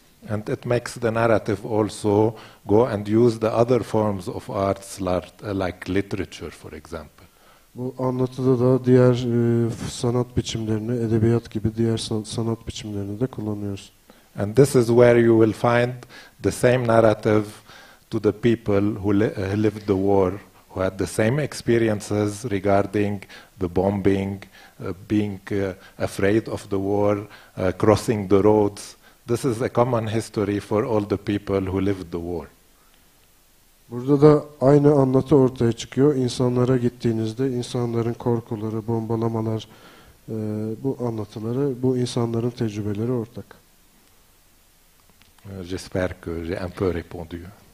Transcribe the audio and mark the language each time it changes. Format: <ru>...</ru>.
<en>And it makes the narrative also go and use the other forms of arts like literature for example.</en> <tr>Bu anlatıda da diğer sanat biçimlerini, edebiyat gibi diğer sanat biçimlerini de kullanıyoruz.</tr> <en>And this is where you will find the same narrative to the people who lived the war, who had the same experiences regarding the bombing, being afraid of the war, crossing the roads. This is a common history for all the people who lived the war.</en> <tr>Burada da aynı anlatı ortaya çıkıyor. İnsanlara gittiğinizde insanların korkuları, bombalamalar, bu anlatıları, bu insanların tecrübeleri ortak.</tr> <fr>J'espère que j'ai un peu répondu.</fr>